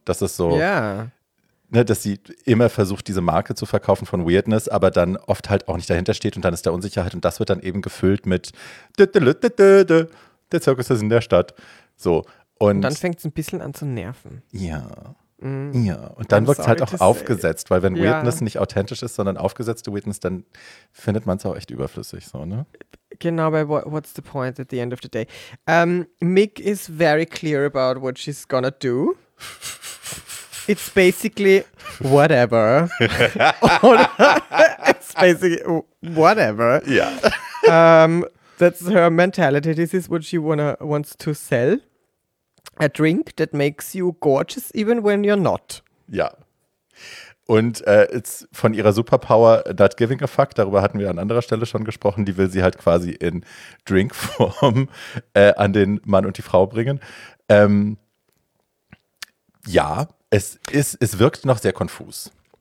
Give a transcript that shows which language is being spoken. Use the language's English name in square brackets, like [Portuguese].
[German] Das ist so, ne, dass sie immer versucht, diese Marke zu verkaufen von Weirdness, aber dann oft halt auch nicht dahinter steht und dann ist da Unsicherheit und das wird dann eben gefüllt mit der Zirkus ist in der Stadt. So. Und dann fängt es ein bisschen an zu nerven. Ja. Ja, und dann wirkt es halt auch aufgesetzt, weil wenn Weirdness nicht authentisch ist, sondern aufgesetzte Weirdness, dann findet man es auch echt überflüssig, so, ne? [English] Genau, but what's the point at the end of the day? Mick is very clear about what she's gonna do. It's basically whatever. It's basically whatever. Yeah. That's her mentality. This is what she wants to sell. A drink that makes you gorgeous, even when you're not. [German] Ja. Und it's von ihrer Superpower, [English] not giving a fuck, [German] darüber hatten wir an anderer Stelle schon gesprochen, die will sie halt quasi in Drinkform an den Mann und die Frau bringen. Ja, es wirkt noch sehr konfus.